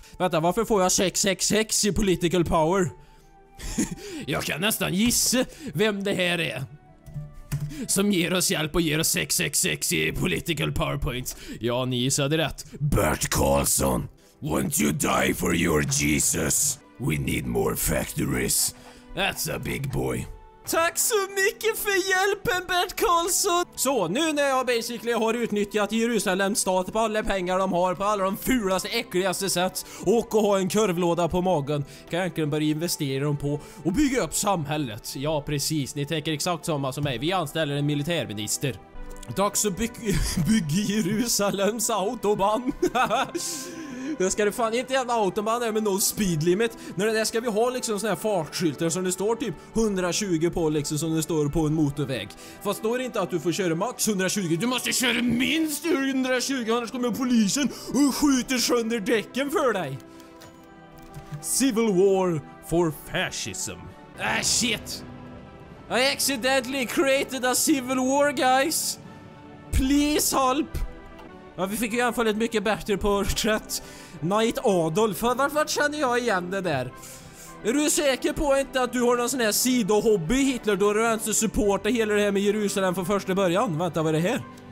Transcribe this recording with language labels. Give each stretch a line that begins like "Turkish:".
Swedish: Vänta, varför får jag 666 i political power? Jag kan nästan gissa vem det här är som ger oss hjälp och ger oss 666 i political powerpoints. Ja, ni gissade rätt.
English: Bert Karlsson, won't you die for your Jesus? We need more factories. That's a big boy.
Swedish: Tack så mycket för hjälpen, Bert Karlsson! Så, nu när jag basically har utnyttjat Jerusalems stat på alla pengar de har, på alla de fulaste, äckligaste sätt, och ha en kurvlåda på magen, kan jag egentligen börja investera dem på och bygga upp samhället. Ja, precis. Ni tänker exakt samma som mig. Vi anställer en militärminister. Dags att bygga Jerusalems autobahn. Det ska det fan inte jävla autobahn med någon speed limit. När det ska vi ha liksom såna här fartskyltar som det står typ 120 på liksom, som det står på en motorväg. Fast då är det inte att du får köra max 120. Du måste köra minst 120, annars kommer polisen och skjuter sönder däcken för dig.
English: Civil war for fascism. Ah shit. I accidentally created a civil war, guys. Please help.
Swedish: Ja, vi fick ju anfall ett mycket bättre porträtt. Knight Adolf, varför känner jag igen det där? Är du säker på inte att du har någon sån här sidohobby, Hitler? Då har du ens supportat hela det här med Jerusalem från första början. Vänta, vad är det här?